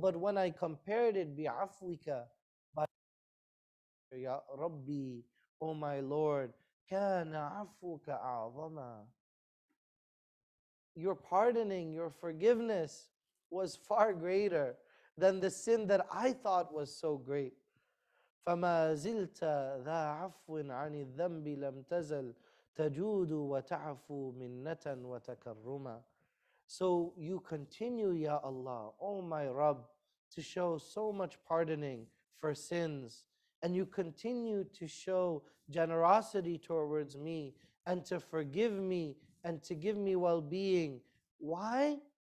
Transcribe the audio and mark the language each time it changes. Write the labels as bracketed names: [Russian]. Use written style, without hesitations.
[English] But when I compared it, [Arabic] بِعَفْوِكَ, [English] Ya Rabbi, O my Lord, [Arabic] كان عفوك أعظم. [English] Your pardoning, your forgiveness was far greater than the sin that I thought was so great. [Arabic] فما زلت ذا عفو عن الذنب لم تزل تجود وتعفو منة وتكرما. [English] So you continue, Ya Allah, O my Rabb, to show so much pardoning for sins, and you continue to show generosity towards me, and to forgive me, and to give me well-being. Why?